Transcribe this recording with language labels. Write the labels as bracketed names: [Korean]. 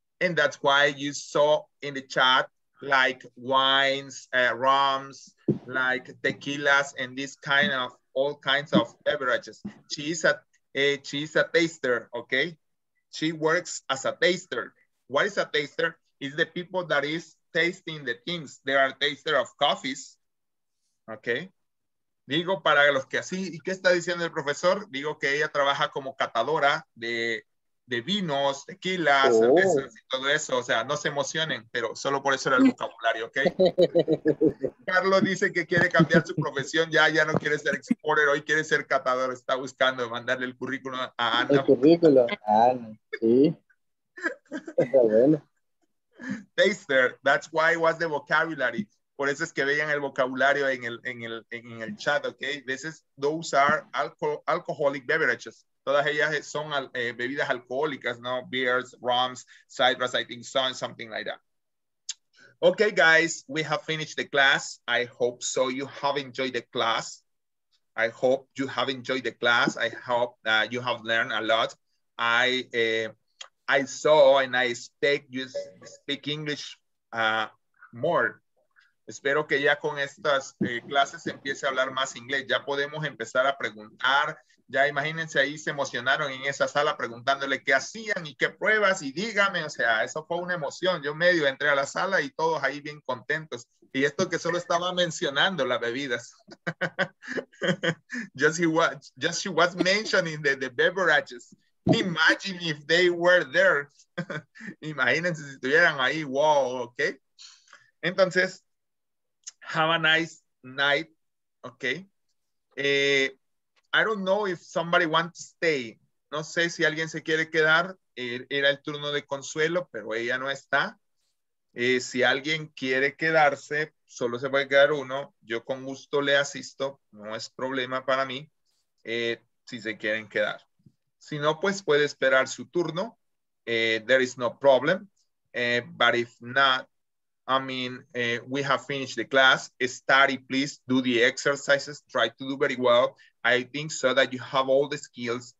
[English] And that's why you saw in the chat, like wines, rums, like tequilas, and this kind of, all kinds of beverages. She's a taster, okay? She works as a taster. What is a taster? It's the people that is tasting the things. They are a taster of coffees, okay? [Spanish] Digo para los que así, ¿y qué está diciendo el profesor? Digo que ella trabaja como catadora de vinos, tequila, cervezas y todo eso. O sea, no se emocionen, pero solo por eso era el vocabulario, ¿ok? Carlos dice que quiere cambiar su profesión, ya no quiere ser exporter, hoy quiere ser catador, está buscando mandarle el currículum a Ana. El currículum, Ana, sí. Está bueno. [English] Taster, that's why it was the vocabulary. [Spanish] Por eso es que vean el vocabulario en el chat, okay? [English] This is, those are alcoholic beverages. [Spanish] Todas ellas son bebidas alcohólicas, no? [English] Beers, rums, ciders, I think so, and something like that. Okay, guys, we have finished the class. I hope so. You have enjoyed the class. I hope you have enjoyed the class. I hope that you have learned a lot. I saw and I expect you speak English more. [Spanish] Espero que ya con estas clases empiece a hablar más inglés. Ya podemos empezar a preguntar. Ya imagínense ahí, se emocionaron en esa sala preguntándole qué hacían y qué pruebas y dígame. O sea, eso fue una emoción. Yo medio entré a la sala y todos ahí bien contentos. Y esto que solo estaba mencionando las bebidas. [English] Just she was mentioning the beverages. Imagine if they were there. [Spanish] Imagínense si estuvieran ahí. [English] Wow, okay. [Spanish] Entonces, [English] have a nice night, okay? I don't know if somebody wants to stay. [Spanish] No sé si alguien se quiere quedar. Era el turno de Consuelo, pero ella no está. Si alguien quiere quedarse, solo se puede quedar uno. Yo con gusto le asisto. No es problema para mí si se quieren quedar. Si no, pues puede esperar su turno. [English] There is no problem. But if not, I mean, we have finished the class. Study, please. Do the exercises. Try to do very well. I think so that you have all the skills.